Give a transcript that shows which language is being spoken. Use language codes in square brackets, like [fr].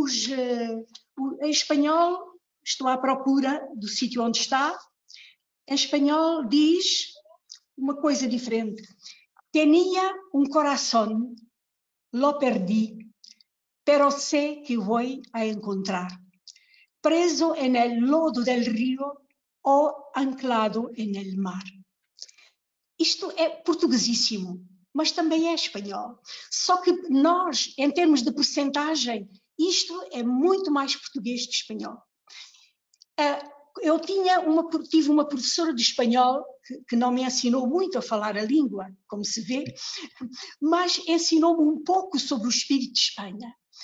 [pt] Em espanhol, estou à procura do sítio onde está, em espanhol diz uma coisa diferente. [es] Tenía un corazón, lo perdí, pero sé que voy a encontrar. Preso en el lodo del río o anclado en el mar. [pt] Isto é portuguesíssimo, mas também é espanhol. Só que nós, em termos de percentagem, isto é muito mais português que espanhol. Eu tive uma professora de espanhol que não me ensinou muito a falar a língua, como se vê, mas ensinou-me um pouco sobre o espírito de Espanha.